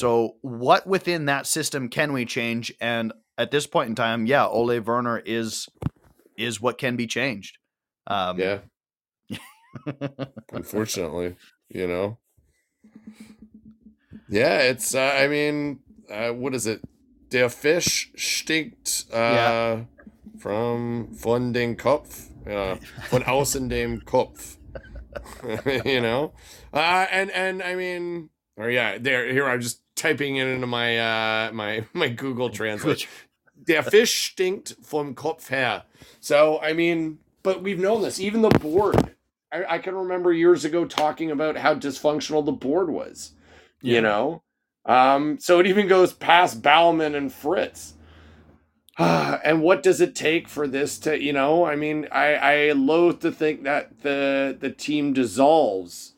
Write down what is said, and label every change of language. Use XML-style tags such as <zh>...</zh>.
<en>So what within that system can we change? And at this point in time, Ole Werner is what can be changed. Unfortunately, you know. Yeah, it's, I mean, what is it?</en> <de>Der Fisch stinkt from von dem Kopf, von außen dem Kopf,</de> <en>you know? Here I'm just typing it into my my Google Translate.</en> <de>Der Fisch stinkt vom Kopf her.</de> <en>So, I mean, but we've known this. Even the board, I can remember years ago talking about how dysfunctional the board was. You know, So it even goes past Bauman and Fritz. And what does it take for this to, you know, I mean, I loathe to think that the team dissolves.</en>